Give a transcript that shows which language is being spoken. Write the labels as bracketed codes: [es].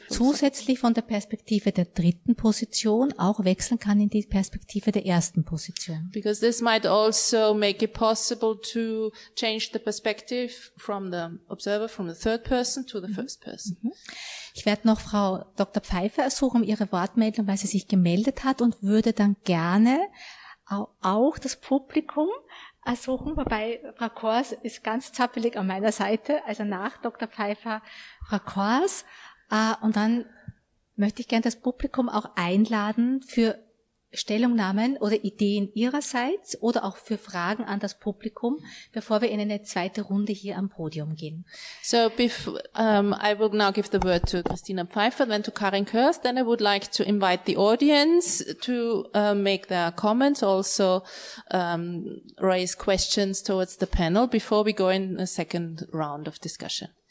[de] die zusätzlich von der Perspektive der dritten Position auch wechseln kann in die Perspektive der ersten Position. [en] Because this might also make it possible to change the perspective from the observer, from the third person to the first person. [de] Ich werde noch Frau Dr. Pfeiffer ersuchen, um ihre Wortmeldung, weil sie sich gemeldet hat und würde dann gerne auch das Publikum ersuchen, wobei Frau Kors ist ganz zappelig an meiner Seite, also nach Dr. Pfeiffer, Frau Kors. Und dann möchte ich gerne das Publikum auch einladen für Stellungnahmen oder Ideen ihrerseits oder auch für Fragen an das Publikum, bevor wir in eine zweite Runde hier am Podium gehen. [en] So, I will now give the word to Christina Pfeiffer, then to Karin Kurs, then I would like to invite the audience to make their comments, also raise questions towards the panel before we go in a second round of discussion.